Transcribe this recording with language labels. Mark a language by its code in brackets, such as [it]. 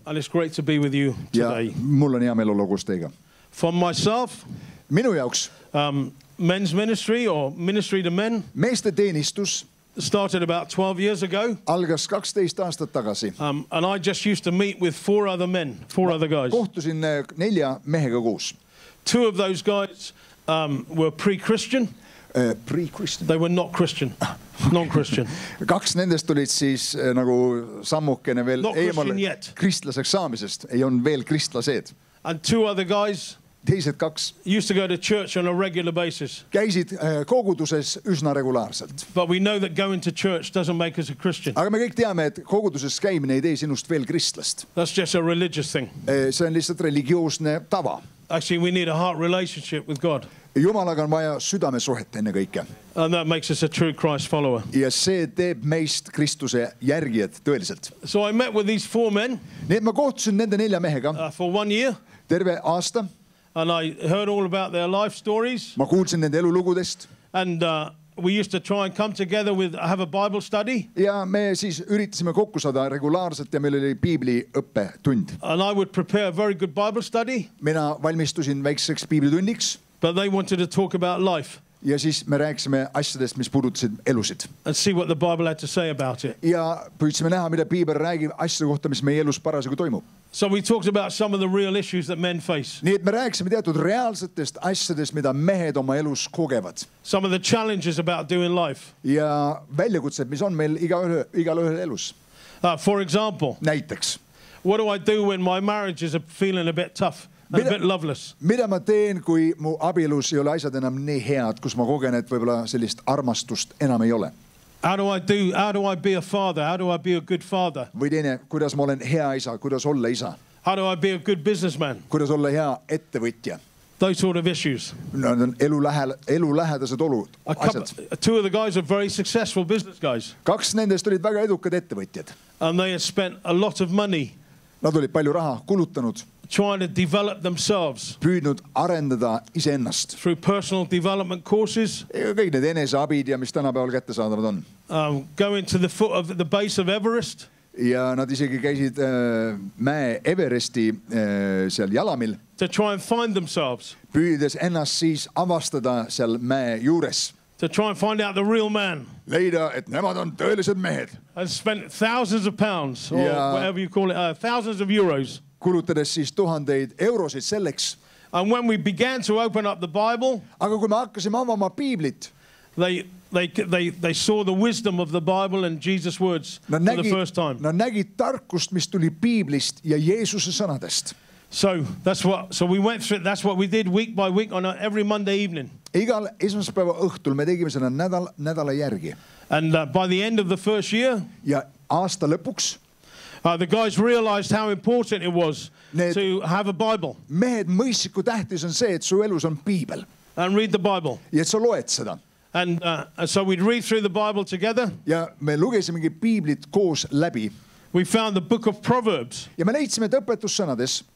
[en] And it's great to be with you today. [et] Ja mul on hea meel olla koos teiga. [en] For myself, [et] minu jaoks, [en] men's ministry or ministry to men, [et] meeste teenistus, [en] started about 12 years ago. [et] Algas 12 aastat tagasi. [en] And I just used to meet with four other guys. [et] Kohtusin nelja mehega koos. [en] Two of those guys were pre-Christian. Pre-Christian. They were not Christian. Non-Christian. [et] Kaks nendest olid siis nagu sammukene veel [en] not [et] eemale [en] yet. [et] Kristlaseks saamisest. Ei on veel kristlased. [en] And two other guys [et] teised kaks [en] used to go to church on a regular basis. [et] Käisid koguduses üsna regulaarselt. [en] But we know that going to church doesn't make us a Christian. [et] Aga me kõik teame, et koguduses käimine ei tee sinust veel kristlast. [en] That's just a religious thing. [et] See on lihtsalt religioosne tava. [en] Actually, we need a heart relationship with God. [et] Jumalaga on vaja südame suhet enne kõike. [en] And that makes us a true Christ follower. [et] Ja see teeb meist Kristuse järgijad tõeliselt. [en] So I met with these four men. [et] Nii, ma kohtusin nende nelja mehega. [en] For one year. [et] Terve aasta. [en] And I heard all about their life stories. [et] Ma kuulsin nende elulugudest. [en] And we used to try and come together with have a Bible study. [et] Ja me siis üritasime kokku saada regulaarselt ja meil oli piibli õppe tund. [en] And I would prepare a very good Bible study. [et] Mina valmistusin väikseks piibli tunniks. [en] But they wanted to talk about life. [et] Ja siis me rääkisime asjadest, mis puudutasid elusid. [en] And see what the Bible had to say about it. [et] Ja püüdsime näha, mida piibel räägib asjade kohta, mis meie elus parasegu toimub. [en] So we talked about some of the real issues that men face. [et] Nii, et me rääkisime teatud reaalsetest asjadest, mida mehed oma elus kogevad. [en] Some of the challenges about doing life. [et] Ja väljakutsed, mis on meil igal ühel elus. [en] For example. [et] Näiteks. [en] What do I do when my marriage is feeling a bit tough and a bit loveless? [et] Mida ma teen, kui mu abielus ei ole asjad enam nii head, kus ma kogen, et võibolla sellist armastust enam ei ole? [en] How do I be a father? How do I be a good father? [et] Või teine, kuidas ma olen hea isa, kuidas olla isa? [en] How do I be a good businessman? [et] Kuidas olla hea ettevõtja? [en] Those sort of issues. [et] No, elulähedased olud, asjad. [en] Two of the guys are very successful business guys. [et] Kaks nendest olid väga edukad ettevõtjad. [en] And they had spent a lot of money. [et] Nad olid palju raha kulutanud. [en] Trying to develop themselves. [et] Püüdnud arendada iseennast. [en] Through personal development courses. [et] Kõik need eneseabid ja mis tänapäeval kätte saadavad on. [en] Going to the foot of the base of Everest. [et] Ja nad isegi käisid mäe Everesti seal jalamil. [en] To try and find themselves. [et] Püüdes ennast siis avastada seal mäe juures. [en] To try and find out the real man. [et] Leida, et nemad on tõelised mehed. [en] And spent thousands of pounds, or ja whatever you call it, thousands of euros. [et] Kulutades siis tuhandeid eurosid selleks. [en] And when we began to open up the Bible, [et] aga kui me hakkasime avama piiblit, [en] they saw the wisdom of the Bible and Jesus' words for the first time. [et] Nad nägid tarkust, mis tuli piiblist ja Jeesuse sõnadest. [en] So we went through it. That's what we did week by week on every Monday evening. [et] Igal esmaspäeva õhtul me tegime seda nädala järgi. [en] And by the end of the first year, [et] ja aasta lõpuks, [en] The guys realized how important it was to have a Bible. [et] Mehed mõisid, kui tähtis on see, et su elus on piibel. [en] And read the Bible. [et] Ja et sa loed seda. [en] And so we'd read through the Bible together. [et] Ja me lugesimegi piiblit koos läbi. [en] We found the book of Proverbs. [et] Ja me leidsime, et õpetussõnades.